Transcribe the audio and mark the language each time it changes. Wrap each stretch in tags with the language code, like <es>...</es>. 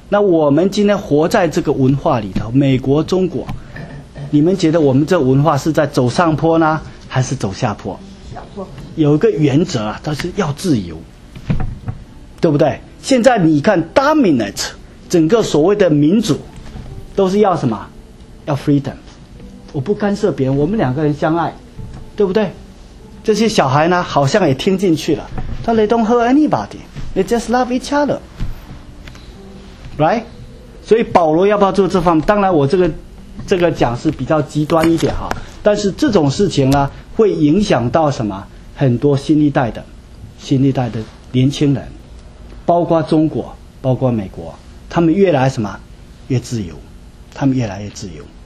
<zh>那我们今天活在这个文化里头，美国中国，你们觉得我们这文化是在走上坡呢还是走下坡？有一个原则啊，就是要自由，对不对？现在你看 dominate整个所谓的民主都是要什么？要 freedom， 我不干涉别人，我们两个人相爱，对不对？这些小孩呢好像也听进去了，他</zh> <en>they don't hurt anybody， they just love each other， right？</en> <zh>所以保罗要不要做这方面，当然我这个讲是比较极端一点哈，但是这种事情呢会影响到什么？很多新一代的年轻人，包括中国，包括美国，他们越来什么越自由，他们越来越自由。</zh>